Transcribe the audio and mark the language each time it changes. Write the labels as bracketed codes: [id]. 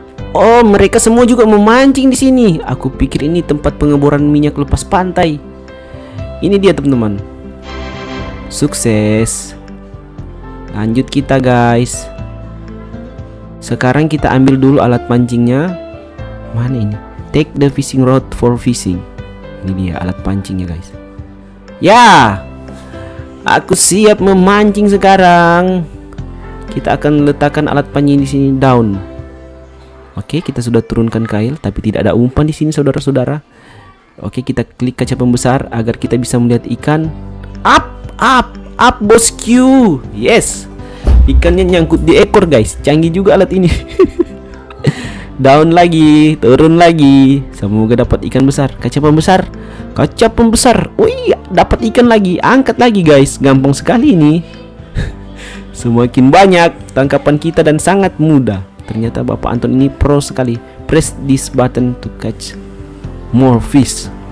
[id] Oh, mereka semua juga memancing di sini. Aku pikir ini tempat pengeboran minyak lepas pantai. Ini dia, teman-teman. Sukses. Lanjut kita, guys. Sekarang kita ambil dulu alat pancingnya. Mana ini? [en] Take the fishing rod for fishing. [id] Ini dia alat pancingnya, guys. Ya, aku siap memancing sekarang. Kita akan letakkan alat pancing di sini down. Oke, kita sudah turunkan kail, tapi tidak ada umpan di sini, saudara-saudara. Oke, kita klik kaca pembesar agar kita bisa melihat ikan. [en] Up, up, up, bosku. Yes. [id] Ikannya nyangkut di ekor, guys. Canggih juga alat ini. Down lagi, turun lagi. Semoga dapat ikan besar. Kaca pembesar. Kaca pembesar. Wih, dapat ikan lagi. Angkat lagi, guys. Gampang sekali ini. Semakin banyak tangkapan kita dan sangat mudah. Ternyata Bapak Anton ini pro sekali. [en] Press this button to catch more fish.